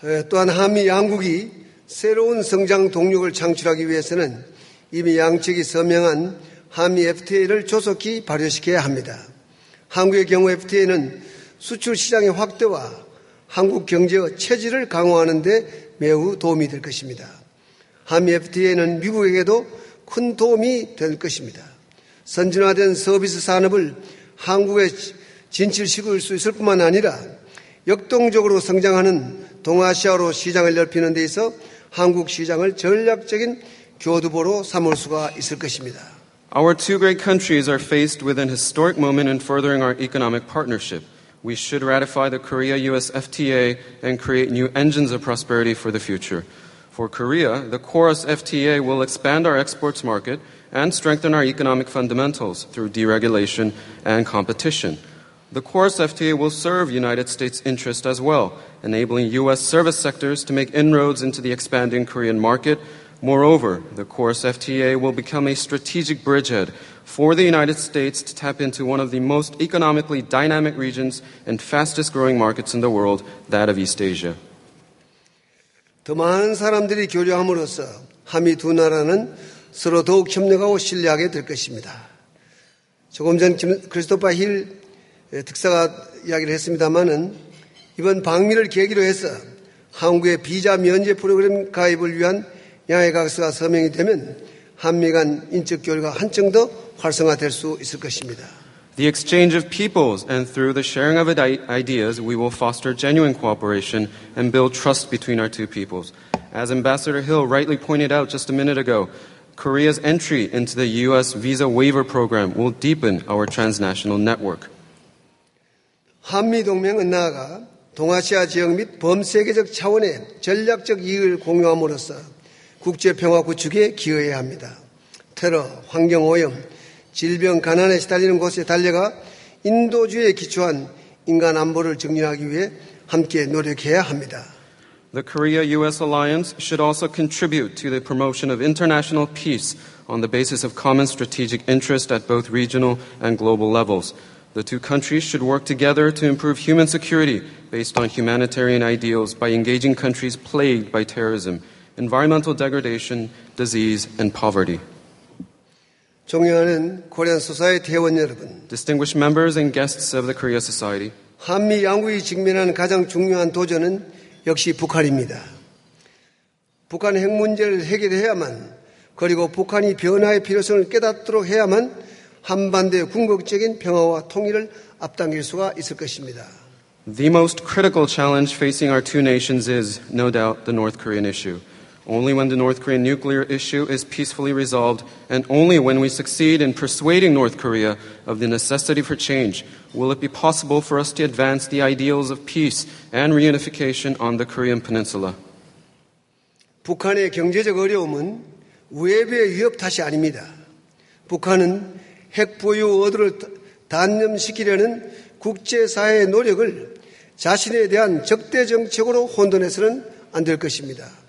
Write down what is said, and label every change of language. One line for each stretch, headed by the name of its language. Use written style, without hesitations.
Korean: 또한 한미 양국이 새로운 성장 동력을 창출하기 위해서는 이미 양측이 서명한 한미 FTA를 조속히 발효시켜야 합니다. 한국의 경우 FTA는 수출 시장의 확대와 한국 경제의 체질을 강화하는 데 매우 도움이 될 것입니다. 한미 FTA는 미국에게도 큰 도움이 될 것입니다. 선진화된 서비스 산업을 한국에 진출시킬 수 있을 뿐만 아니라 역동적으로 성장하는 동아시아로 시장을 넓히는 데 있어 한국 시장을 전략적인 교두보로 삼을 수가 있을 것입니다.
English: Our two great countries are faced with an historic moment in furthering our economic partnership. We should ratify the Korea-U.S. FTA and create new engines of prosperity for the future. For Korea, the CORUS FTA will expand our exports market and strengthen our economic fundamentals through deregulation and competition. The CORUS FTA will serve United States' interests as well, enabling U.S. service sectors to make inroads into the expanding Korean market. Moreover, the CORUS FTA will become a strategic bridgehead for the United States to tap into one of the most economically dynamic regions and fastest-growing markets in the world, that of East Asia.
Korean: 더 많은 사람들이 교류함으로써 한미 두 나라는 서로 더욱 협력하고 신뢰하게 될 것입니다. 조금 전 크리스토퍼 힐 특사가 이야기를 했습니다만은 이번 방미를 계기로 해서 한국의 비자 면제 프로그램 가입을 위한 양해각서가 서명이 되면 한미 간 인적 교류가 한층 더 활성화될 수 있을 것입니다.
English: The exchange of peoples and through the sharing of ideas, we will foster genuine cooperation and build trust between our two peoples. As Ambassador Hill rightly pointed out just a minute ago, Korea's entry into the U.S. visa waiver program will deepen our transnational network.
Korean: 한미 동맹은 나아가 동아시아 지역 및 범세계적 차원의 전략적 이익을 공유함으로써 국제 평화 구축에 기여해야 합니다. 테러, 환경 오염, 질병, 가난에 시달리는 곳에 달려가 인도주의에 기초한 인간 안보를 정리하기 위해 함께 노력해야 합니다.
English: the Korea-U.S. alliance should also contribute to the promotion of international peace on the basis of common strategic interest at both regional and global levels. The two countries should work together to improve human security based on humanitarian ideals by engaging countries plagued by terrorism, environmental degradation, disease, and poverty.
Korean: 존경하는 코리안 소사이어티 회원 여러분,
English: distinguished members and guests of the Korea Society,
Korean: 한미 양국이 직면한 가장 중요한 도전은 역시 북한입니다. 북한 핵 문제를 해결해야만, 그리고 북한이 변화의 필요성을 깨닫도록 해야만 한반도의 궁극적인 평화와 통일을 앞당길 수가 있을 것입니다.
English: The most critical challenge facing our two nations is, no doubt, the North Korean issue. Only when the North Korean nuclear issue is peacefully resolved, and only when we succeed in persuading North Korea of the necessity for change, will it be possible for us to advance the ideals of peace and reunification on the Korean Peninsula.
Korean: 북한의 경제적 어려움은 외부의 위협 탓이 아닙니다. 북한은 핵 보유 의도를 단념시키려는 국제사회의 노력을 자신에 대한 적대 정책으로 혼돈해서는 안 될 것입니다.